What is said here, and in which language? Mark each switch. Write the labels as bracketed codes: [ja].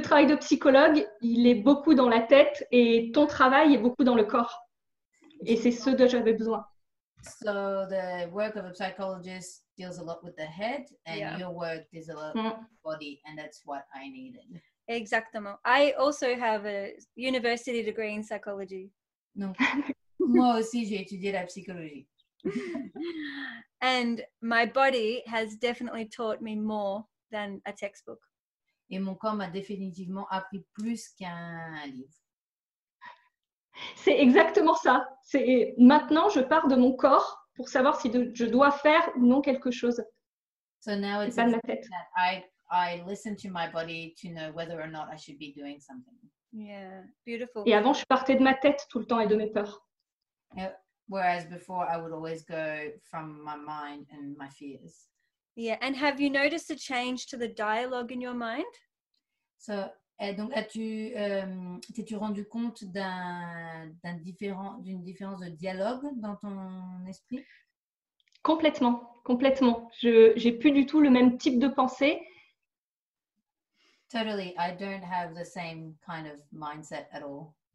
[fr] travail de psychologue, il est beaucoup dans la tête et ton travail est beaucoup dans le corps. Et c'est ce dont j'avais besoin. [en] So the work of a psychologist deals a lot with the head and your work deals a lot with the body, and that's what I needed. [fr] Exactement. [en] I also have a university degree in psychology. [fr] No. Moi aussi j'ai étudié la psychologie. [en] And my body has definitely taught me more than a textbook. [fr] Et mon corps m'a définitivement appris plus qu'un livre. C'est exactement ça. C'est maintenant, je pars de mon corps pour savoir si je dois faire ou non quelque chose. [en] So now it's [fr] pas de ma tête. [en] I listen to my body to know whether or not I should be doing something. Yeah, beautiful. [fr] Et avant, je partais de ma tête tout le temps et de mes peurs. [en] Whereas before, I would always go from my mind and my fears. Yeah, and have you noticed a change to the dialogue in your mind? So. [fr] Et donc, t'es-tu rendu compte d'une différence de dialogue dans ton esprit? Complètement, complètement. Je n'ai plus du tout le même type de pensée. [en] Totally, I don't have the same kind of mindset at all.